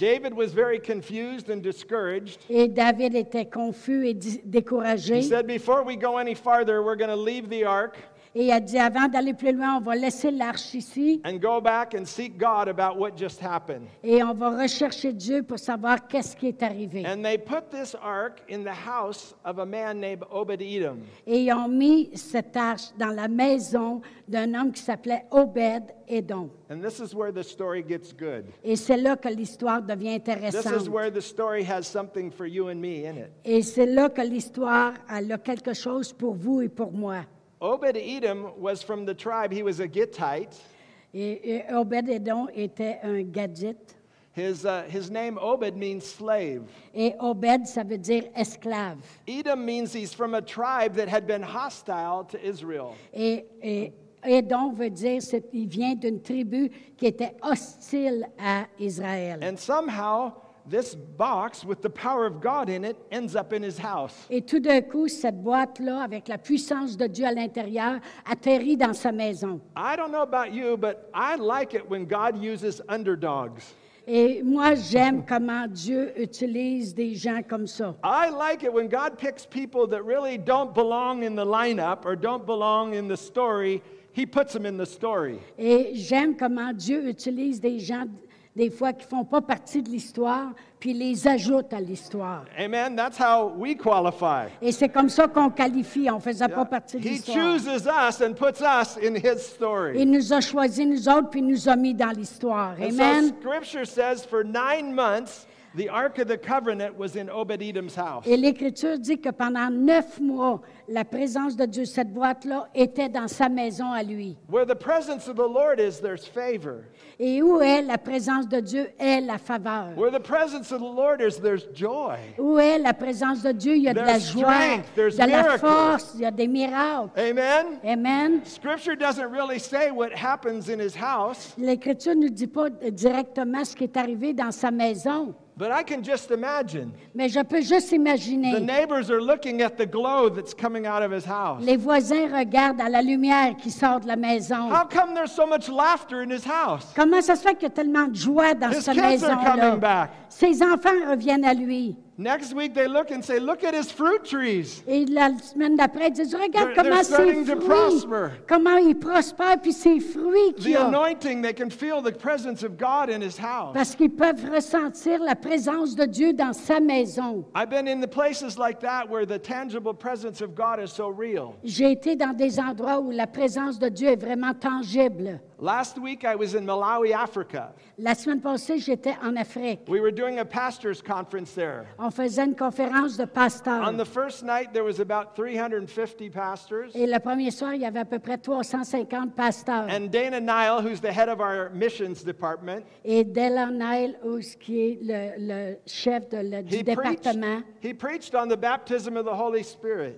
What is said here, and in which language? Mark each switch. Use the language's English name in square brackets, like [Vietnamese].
[English] David was very confused and discouraged. [French] Et David était confus et découragé. [English] He said, before we go any farther, we're going to leave the ark. [French] Et il a dit, avant d'aller plus loin, on va laisser l'arche ici. [English] And go back and seek God about what just happened. [French] Et on va rechercher Dieu pour savoir qu'est-ce qui est arrivé. [English] And they put this ark in the house of a man named Obed-Edom. [French] Et ils ont mis cette arche dans la maison d'un homme qui s'appelait Obed-Edom. [English] And this is where the story gets good. [French] Et c'est là que l'histoire devient intéressante. [English] This is where the story has something for you and me in it. [French] Et c'est là que l'histoire a quelque chose pour vous et pour moi. [English] Obed-Edom was from the tribe. He was a Gittite. [French] Et Obed-Edom était un Gadite. [English] His name Obed means slave. [French] Et Obed, ça veut dire esclave. [English] Edom means he's from a tribe that had been hostile to Israel. [French] Et Edom veut dire qu'il vient d'une tribu qui était hostile à Israël. [English] And somehow, this box with the power of God in it ends up in his house. [French] Et tout d'un coup, cette boîte-là, avec la puissance de Dieu à l'intérieur, atterrit dans sa maison. [English] I don't know about you, but I like it when God uses underdogs. [French] Et moi, j'aime comment Dieu utilise des gens comme ça. [English] I like it when God picks people that really don't belong in the lineup or don't belong in the story. He puts them in the story. [French] Et j'aime comment Dieu utilise des gens, des fois, qui ne font pas partie de l'histoire, puis les ajoute à l'histoire. [English] Amen. That's how we qualify. [French] Et c'est comme ça qu'on qualifie. On ne faisait pas partie de l'histoire. [English] He chooses us and puts us in his story. [French] Il nous a choisis, nous autres, puis nous a mis dans l'histoire. [English] Amen. And so Scripture says for 9 months, the Ark of the Covenant was in Obed-Edom's house. [French] Et l'Écriture dit que pendant 9 mois, la présence de Dieu, cette boîte-là, était dans sa maison à lui. [English] Where the presence of the Lord is, there's favor. [French] Et où est la présence de Dieu, est la faveur. [English] Where the presence of the Lord is, there's joy. [French] Où est la présence de Dieu, il y a [English] there's [French] de la joie, [English] strength, there's [French] de la [English] miracles. [French] Force, il y a des miracles. [English] Amen. Amen. Scripture doesn't really say what happens in his house. [French] L'Écriture ne dit pas directement ce qui est arrivé dans sa maison. [English] But I can just imagine. [French] Mais je peux juste imaginer. [English] The neighbors are looking at the glow that's coming out of his house. [French] Les voisins regardent à la lumière qui sort de la maison. [English] How come there's so much laughter in his house? [French] Comment ça se fait qu'il y a tellement de joie dans sa maison-là? [English] His kids are coming back. [French] Ses enfants reviennent à lui. [English] Next week they look and say, "Look at his fruit trees." [French] Et la semaine d'après, ils disent, regarde comment ses fruits. [English] They're starting to prosper. [French] Comment il prospère puis ses fruits qu'il [English] a. The anointing, they can feel the presence of God in his house. [French] Parce qu'ils peuvent ressentir la présence de Dieu dans sa maison. [English] I've been in the places like that where the tangible presence of God is so real. [French] J'ai été dans des endroits où la présence de Dieu est vraiment tangible. [English] Last week I was in Malawi, Africa. [French] La semaine passée, j'étais en Afrique. [English] We were doing a pastors' conference there. [French] On faisait une conférence de pasteurs. [English] On the first night, there was about 350 pastors. [French] Et le premier soir, il y avait à peu près 350 pasteurs. [English] And Dana Nile, who's the head of our missions department. [French] Et Dana Nile, qui est le chef de du département. [English] He preached on the baptism of the Holy Spirit.